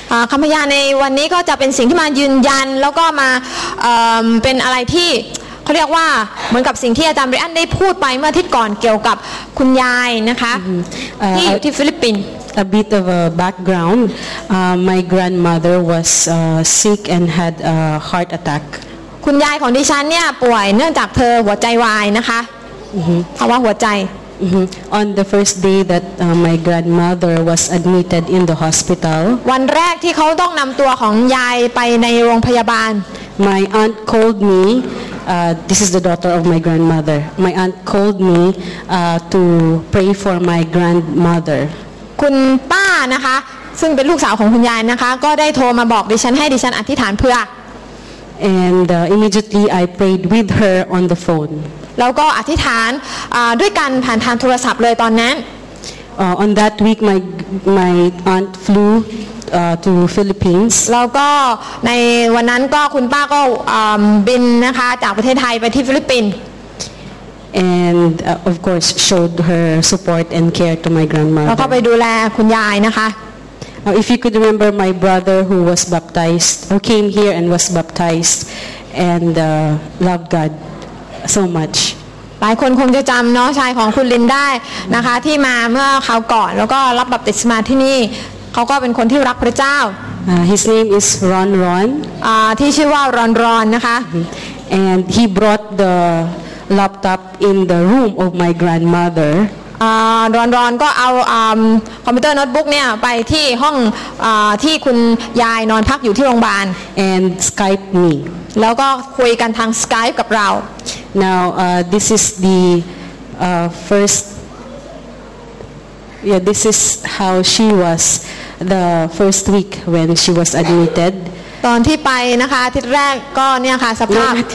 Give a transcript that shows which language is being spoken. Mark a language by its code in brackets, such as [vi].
[th] คำพยานในวันนี้ก็จะเป็นสิ่งที่มายืนยันแล้วก็มาเป็นอะไรที่เขาเรียกว่าเหมือนกับสิ่งที่อาจารย์บริอันได้พูดไปเมื่ออาทิตย์ก่อนเกี่ยวกับคุณยายนะคะที่อยู่ที่ฟิลิปปินส์ [en] A bit of a background. My grandmother was sick and had a heart attack. [th] คุณยายของดิฉันเนี่ยป่วยเนื่องจากเธอหัวใจวายนะคะภาวะหัวใจ [en] On the first day that my grandmother was admitted in the hospital. [th] วันแรกที่เขาต้องนำตัวของยายไปในโรงพยาบาล [en] My aunt called me. This is the daughter of my grandmother. My aunt called me to pray for my grandmother. [th] คุณป้านะคะซึ่งเป็นลูกสาวของคุณยายนะคะก็ได้โทรมาบอกดิฉันให้ดิฉันอธิษฐานเพื่อ [en] And immediately I prayed with her on the phone [th] แล้วก็อธิษฐานด้วยกันผ่านทางโทรศัพท์เลยตอนนั้น [en] On that week my aunt flew to Philippines [th] แล้วก็ในวันนั้นก็คุณป้าก็บินนะคะจากประเทศไทยไปที่ฟิลิปปินส์ [en] And of course, showed her support and care to my grandmother. [th] แล้วก็ไปดูแลคุณยายนะคะ [en] Now, if you could remember my brother who was baptized, who came here and was baptized, and loved God so much. [th] หลายคนคงจะจำน้องชายของคุณลินได้นะคะที่มาเมื่อเขาก่อนแล้วก็รับบัพติศมาที่นี่เขาก็เป็นคนที่รักพระเจ้า [en] His name is Ron Ron. [th] ที่ชื่อว่า Ron Ron นะคะ [en] And he brought theLaptop in the room of my grandmother. [th] Ron ก็เอาคอมพิวเตอร์โน้ตบุ๊กเนี่ยไปที่ห้องที่คุณยายนอนพักอยู่ที่โรงพยาบาล [en] And Skype me. [th] แล้วก็คุยกันทาง Skype กับเรา [en] Now this is the first. Yeah, this is how she was the first week when she was admitted. [th] ตอนที่ไปนะคะทีแรกก็เนี่ยค่ะสภาพ